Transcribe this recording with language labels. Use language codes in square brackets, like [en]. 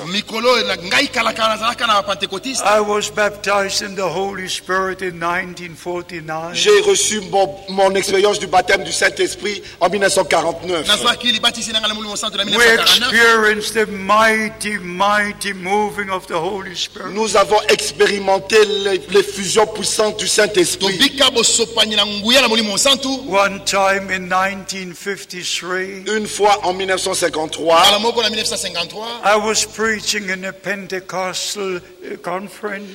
[en] I was baptized in the Holy Spirit in 1949. [fr] J'ai reçu mon expérience du baptême du Saint-Esprit en 1949. [en] We experienced the mighty, mighty moving of the Holy Spirit. [fr] Nous avons expérimenté l'effusion puissante du Saint-Esprit. [en] One time in 1953. [fr] Une fois en 1953. [en] I was preaching in a Pentecostal conference.